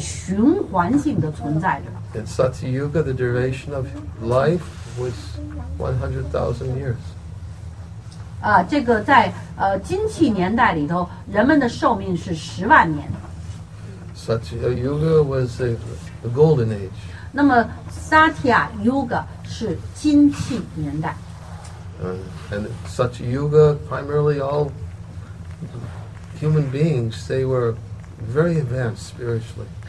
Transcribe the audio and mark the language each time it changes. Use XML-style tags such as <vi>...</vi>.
<zh>而我们说了现在我们所在的这种物质的世界它是一直不断的循环性的存在着</zh> <en>In Satya Yuga, the duration of life was 100,000 years</en> <zh>这个在金器年代里头人们的寿命是十万年</zh> <en>Satya Yuga was the golden age</en> <zh>那么 Satya Yuga 是金器年代</zh> <en>and Satya Yuga primarily all human beings they were very advanced spiritually</en>